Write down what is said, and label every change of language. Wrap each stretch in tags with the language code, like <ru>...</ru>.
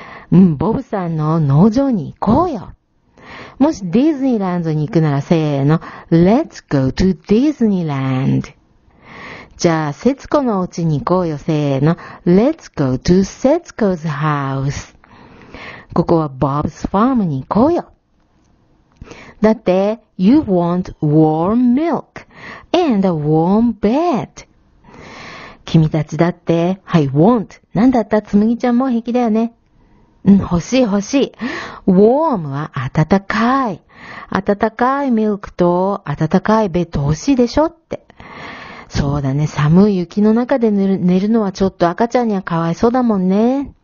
<ja>ボブさんの農場に行こうよ。もしディズニーランドに行くならせーの。</ja> <en>Let's go to Disneyland.</en> <ja>じゃあ、節子のお家に行こうよせーの。</ja> <en>Let's go to 節子's house.</en> <ja>ここは Bob's farm に行こうよ。だって、</ja> <en>you want warm milk and a warm bed.</en> <ja>君たちだって、はい、want。なんだった？つむぎちゃんも平気だよね。欲しい欲しい。warm は暖かい。暖かいミルクと暖かいベッド欲しいでしょって。そうだね、寒い雪の中で寝るのはちょっと赤ちゃんにはかわいそうだもんね。</ja>